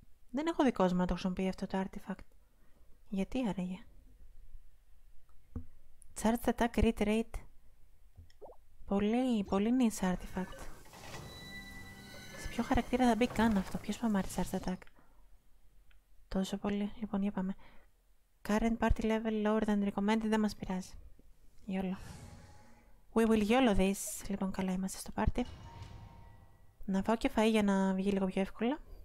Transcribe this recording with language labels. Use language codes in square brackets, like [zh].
[el] Δεν έχω δικός μου να το χρησιμοποιεί αυτό το artifact. Γιατί άραγε. Charge Attack Crit Rate. Πολύ, πολύ nice artifact. Σε ποιο χαρακτήρα θα μπει καν αυτό, ποιος παμάρει Charge Attack. Τόσο πολύ, λοιπόν για πάμε. [en] Current party level lower than recommended, [el] δεν μας πειράζει. [en] YOLO. We will YOLO this. [el] Λοιπόν, καλά είμαστε στο party. Να φάω και φαΐ για να βγει λίγο πιο εύκολα.